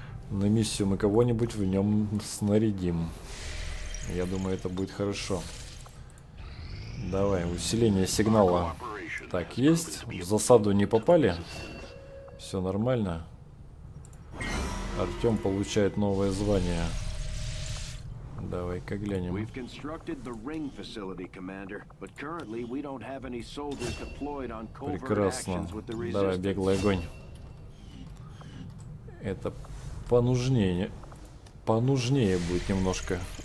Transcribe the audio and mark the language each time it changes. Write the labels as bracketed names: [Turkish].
[Russian] На миссию мы кого-нибудь в нем снарядим. Я думаю, это будет хорошо. Давай, усиление сигнала. Так, есть. В засаду не попали. Все нормально. Артем получает новое звание. Давай-ка глянем. [English] We've constructed the ring facility, Commander, but currently we don't have any soldiers deployed on covert actions with the resistance. [Russian] Давай, беглый огонь. Это понужнее будет немножко.